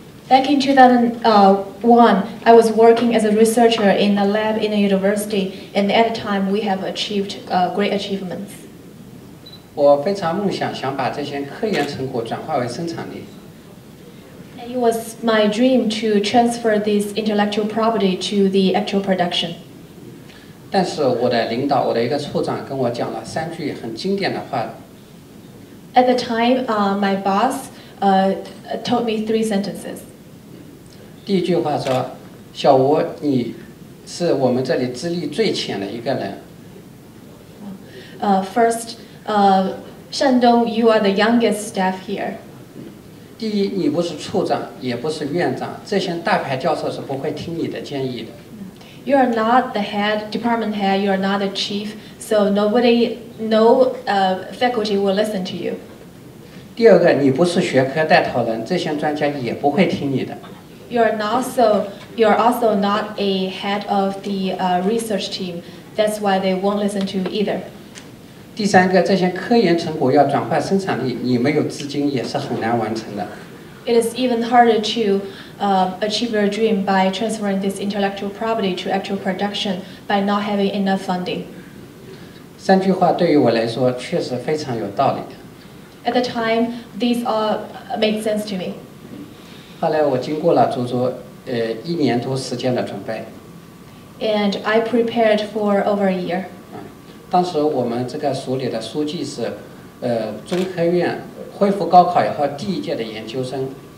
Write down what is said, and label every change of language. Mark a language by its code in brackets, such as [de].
[en] Back in 2001, I was working as a researcher in a lab in a university, and at the time we have achieved great achievements. [zh] 我非常梦想想把这些科研成果转化为生产力。 [en] And it was my dream to transfer this intellectual property to the actual production. [zh] 但是我的领导，我的一个处长跟我讲了三句很经典的话。 [en] At the time, my boss told me 3 sentences. [zh] 第一句话说，小吴，你是我们这里资历最浅的一个人。 [en] First, Shen Dong, you are the youngest staff here. [zh] 第一，你不是处长，也不是院长，这些大牌教授是不会听你的建议的。 [en] You are not the head, department head, you are not the chief, so nobody, no, faculty will listen to you. [zh] 第二个，你不是学科带头人，这些专家也不会听你的。 [en] You are also not a head of the, research team, that's why they won't listen to you either. [zh] 第三个，这些科研成果要转化生产力，你没有资金也是很难完成的。 [en] It is even harder to, achieve your dream by transferring this intellectual property to actual production by not having enough funding. [zh] 三句话对于我来说确实非常有道理。 [en] At the time, these all made sense to me. [zh] 后来我经过了足足一年多时间的准备。 [en] And I prepared for over a year. [zh] 当时我们这个署里的书记是中科院恢复高考以后第一届的研究生。